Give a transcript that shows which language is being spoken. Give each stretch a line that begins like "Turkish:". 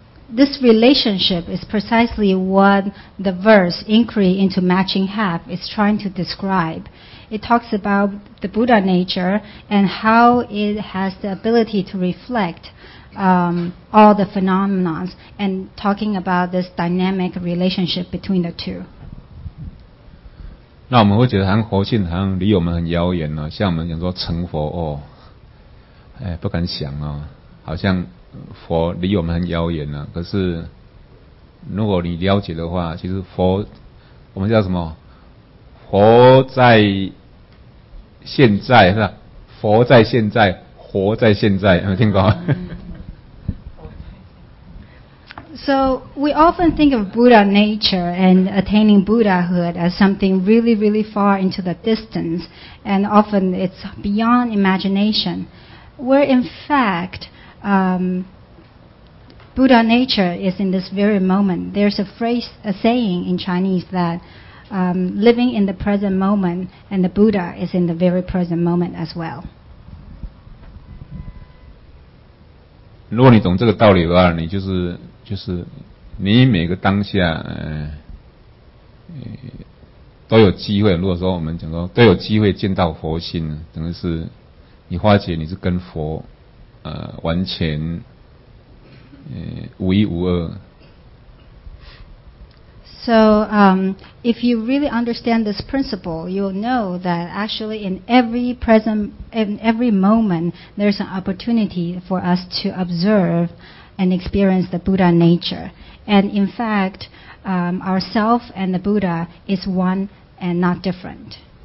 English: This relationship is precisely what the verse Inquiry into Matching Have is trying to describe. It talks about the Buddha nature and how it has the ability to reflect all the phenomena, and talking about this dynamic relationship between the two.
Chinese: 那我们会觉得好像佛性好像离我们很遥远哦，像我们讲说成佛哦，哎，不敢想哦，好像佛离我们很遥远了，可是如果你了解的话，其实佛我们叫什么，佛在现在，是吧？佛在现在，活在现在，有没有听过？
English: So we often think of Buddha nature and attaining Buddhahood as something really, really far into the distance, and often it's beyond imagination. Where in factBuddha nature is in this very moment. There's a phrase, a saying in Chinese that living in the present moment, and the Buddha is in the very present moment as well.
Chinese: 如果你懂这个道理的话，你就是你每个当下都有机会，如果说我们讲说都有机会见到佛性，等于是你发觉你是跟佛完全无一无二。
English: So, if you really understand this principle, you'll know that actually in every present, in every moment, there's an opportunity for us to observe and experience the Buddha nature. And in fact, ourself and the Buddha is one and not different.